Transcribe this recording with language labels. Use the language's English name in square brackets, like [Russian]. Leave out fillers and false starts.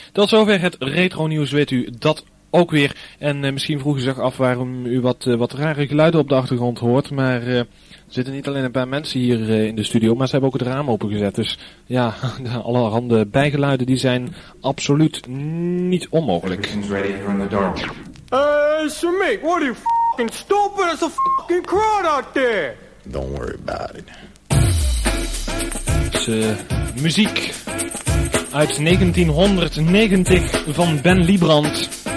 [Dutch] Tot zover het retro nieuws, weet u dat ook weer. En misschien vroeg u zich af waarom u wat rare geluiden op de achtergrond hoort. Maar er zitten niet alleen een paar mensen hier in de studio, maar ze hebben ook het raam opengezet. Dus ja, de allerhande bijgeluiden die zijn absoluut niet onmogelijk. [English] Shamik, what are you f***ing stupid? It's a f***ing crowd out there. Don't worry about it. [Dutch] Muziek uit 1990 van Ben Liebrand.